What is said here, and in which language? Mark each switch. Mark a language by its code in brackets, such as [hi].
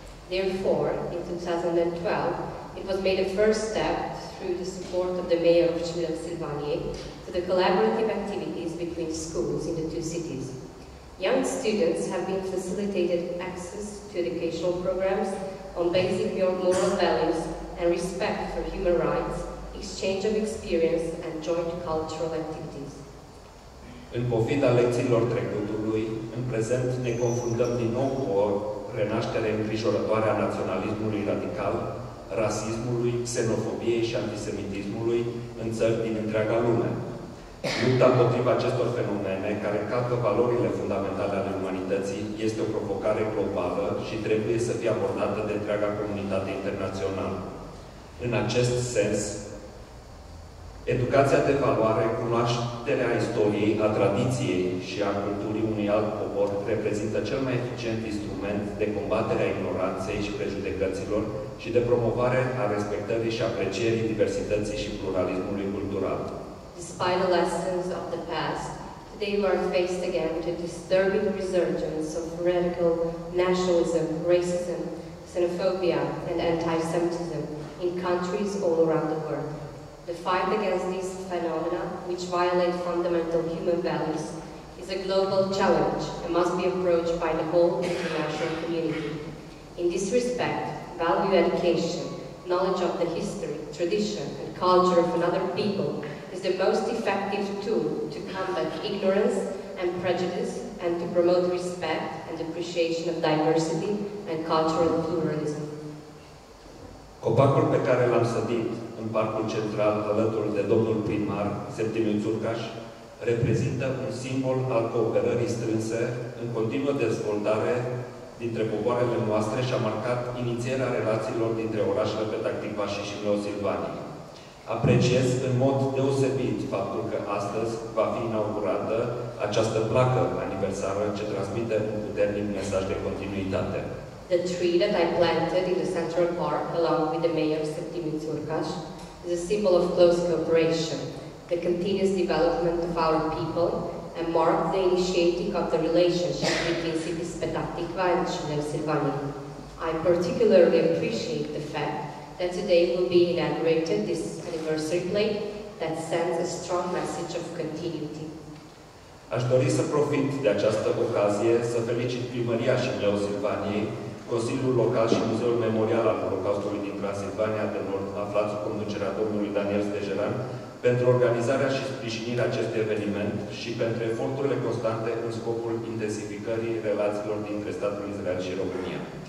[en] Therefore, in 2012, it was made a first step through the support of the mayor of Chișinău-Silvanie to the collaborative activities between schools in the two cities. Young students have been facilitated access to educational programs on basic moral values and respect for human rights, exchange of experience and joint cultural activities. [ro] În pofida lecțiilor trecutului, în prezent ne confruntăm din nou cu o renaștere îngrijorătoare a naționalismului radical, rasismului, xenofobiei și antisemitismului în țări din întreaga lume. Lupta împotriva acestor fenomene, care calcă valorile fundamentale ale umanității, este o provocare globală și trebuie să fie abordată de întreaga comunitate internațională. În acest sens, educația de valoare, cunoașterea istoriei, a tradiției și a culturii unui alt popor reprezintă cel mai eficient instrument de combatere a ignoranței și prejudecăților și de promovare a respectării și aprecierii diversității și pluralismului cultural. [en] Despite the lessons of the past, today we are faced again with a disturbing resurgence of radical nationalism, racism, xenophobia and anti-Semitism in countries all around the world. The fight against these phenomena, which violate fundamental human values, is a global challenge and must be approached by the whole international community. In this respect, value education, knowledge of the history, tradition, and culture of another people is the most effective tool to combat ignorance and prejudice and to promote respect and appreciation of diversity and cultural pluralism. [ro] Copacul pe care l-am sădit în parcul central alături de domnul primar Septimiu Țurcaș reprezintă un simbol al cooperării strânse în continuă dezvoltare dintre popoarele noastre și a marcat inițierea relațiilor dintre orașele Petah Tikva și Șineu Silvanic. Apreciez în mod deosebit faptul că astăzi va fi inaugurată această placă aniversară ce transmite un puternic mesaj de continuitate. [en] The tree that I planted in the Central Park along with the mayor Septimiu Țurcaș is a symbol of close cooperation, the continuous development of our people, and marked the initiating of the relationship between cities Petah Tikva and Șineu Silvanic. I particularly appreciate the fact that today will be inaugurated this anniversary plate that sends a strong message of continuity. [ro] Aș dori să profit de această ocazie să felicit Primăria Șineu Silvaniei, Consiliul Local și Muzeul Memorial al Holocaustului din Transilvania de Nord, aflat sub conducerea domnului Daniel Stejeran, pentru organizarea și sprijinirea acestui eveniment și pentru eforturile constante în scopul intensificării relațiilor dintre statul Israel și România.